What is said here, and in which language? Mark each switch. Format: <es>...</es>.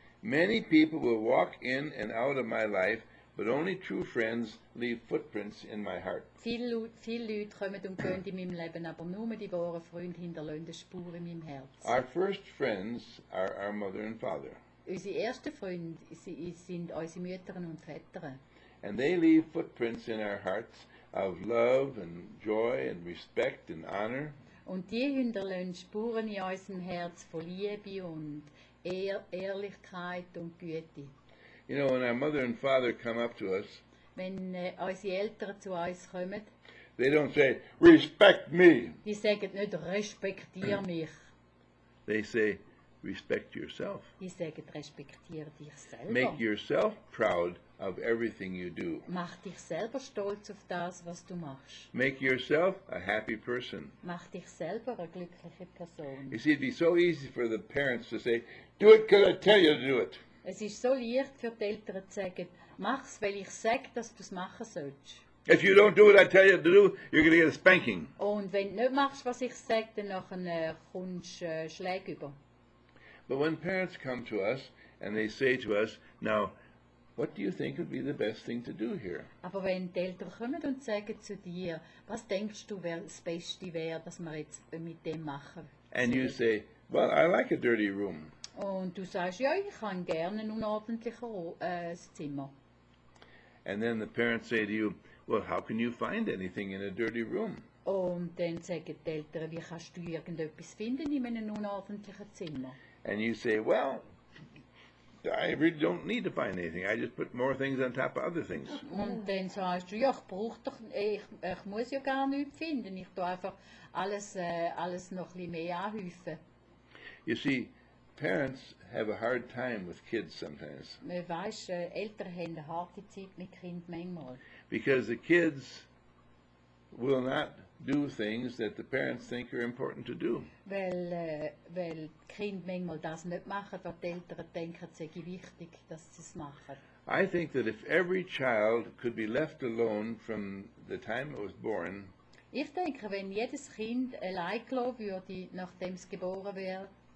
<en>Many people will walk in and out of my life, but only true friends leave footprints in my heart.</en> <de>Viele Leute kommen und gehen in meinem Leben, aber nur die wahren Freunde hinterlassen eine Spur in meinem Herz.</de> <en>Our first friends are our mother and father.</en> <de>Unsere ersten Freunde sind unsere Mütter und Väter.</de> <en>And they leave footprints in our hearts of love and joy and respect and honor.</en> <de>Und die hinterlassen Spuren in unserem Herz von Liebe und Ehrlichkeit und Güte.</de> <en>You know, when our mother and father come up to us,</en> <de>wenn unsere Eltern zu uns kommen,</de> <en>they don't say, respect me.</en> <de>Die sagen nicht, respektier mich.</de> <en>They say, respect yourself.</en> <de>Die sagen, respektier dich selber.</de> <en>Make yourself proud of everything you do.</en> <de>Mach dich selber stolz auf das, was du machst.</de> <en>Make yourself a happy person.</en> <de>Mach dich selber eine glückliche Person.</de> <en>You see, it'd be so easy for the parents to say, do it because I tell you to do it.</en> <de>Es ist so leicht für die Eltern zu sagen, mach's, weil ich sag, dass du es machen sollst.</de> <en>If you don't do what I tell you to do, you're going to get a spanking.</en> <de>Und wenn du nicht machst, was ich sag, dann kommst du Schläge über.</de> <en>But when parents come to us and they say to us, now, what do you think would be the best thing to do here?</en> <de>Aber wenn die Eltern kommen und sagen zu dir, was denkst du, wäre das Beste wäre, was wir jetzt mit dem machen? And sollen?</de> <en>You say, well, I like a dirty room.</en> <de>Und du sagst, ja, ich kann gerne ein unordentliches Zimmer.</de> <en>And then the parents say to you, Well, how can you find anything in a dirty room?</en> <de>Und dann sagen die Eltern, wie kannst du irgendetwas finden in einem unordentlichen Zimmer?</de> <en>And you say, well, I really don't need to find anything. I just put more things on top of other things.</en> <de>Und dann sagst du, ja, ich muss ja gar nichts finden. Ich tue einfach alles noch ein bisschen mehr anhäufen.</de> <en>You see, parents have a hard time with kids sometimes.</en> <de>Man weiss, Eltern haben eine harte Zeit mit Kindern manchmal.</de> <en>Because the kids will not do things that the parents think are important to do.</en> <de>Weil Kinder manchmal das nicht machen, was die Eltern denken, es sei wichtig, dass sie es machen.</de> <en>I think that if every child could be left alone from the time it was born,</en> <de>ich denke, wenn jedes Kind allein gelassen würde, nachdem es geboren wäre,</de>